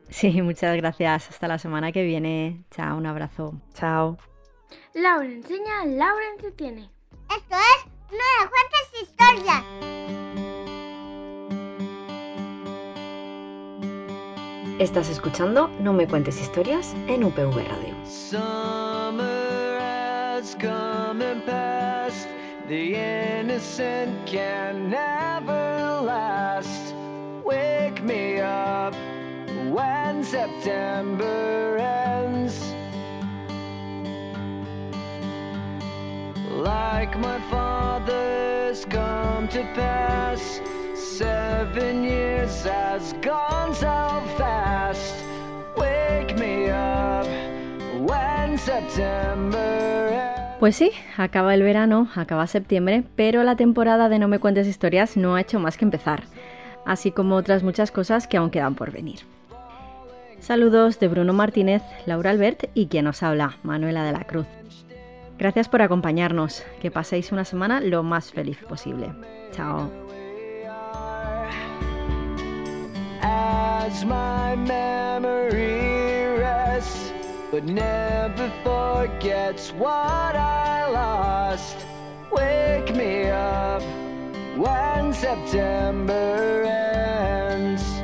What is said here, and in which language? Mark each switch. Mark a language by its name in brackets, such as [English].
[Spanish] Sí, muchas gracias. Hasta la semana que viene. Chao, un abrazo. Chao. Laura enseña, Laura entretiene. Esto es Nueva Fuentes Historias. Estás escuchando No Me Cuentes Historias en UPV Radio. [English] Summer has come and passed, the innocent can never last. Wake me up when September ends. Like my father's come to pass, 7 years has gone so fast. Wake me up when September ends. [Spanish] Pues sí, acaba el verano, acaba septiembre, pero la temporada de No me cuentes historias no ha hecho más que empezar, así como otras muchas cosas que aún quedan por venir. Saludos de Bruno Martínez, Laura Albert y quien os habla, Manuela de la Cruz. Gracias por acompañarnos. Que paséis una semana lo más feliz posible. Chao. [English] As my memory rests, but never forgets what I lost. Wake me up when September ends.